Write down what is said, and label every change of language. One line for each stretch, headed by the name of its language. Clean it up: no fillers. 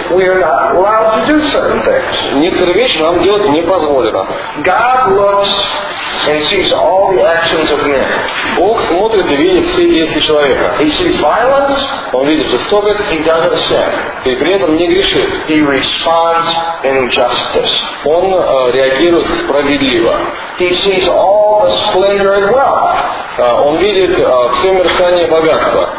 English: We are not allowed to do certain things.
Russian: Некоторые вещи нам делать не позволено.
English: God looks and sees all the actions of men.
Russian: Бог смотрит и видит все действия человека.
English: He sees violence.
Russian: Он видит жестокость.
English: He doesn't sin.
Russian: И при этом не грешит.
English: He responds in justice.
Russian: Он реагирует справедливо.
English: He sees all the splendor and wealth.
Russian: Он видит все мерцание богатства.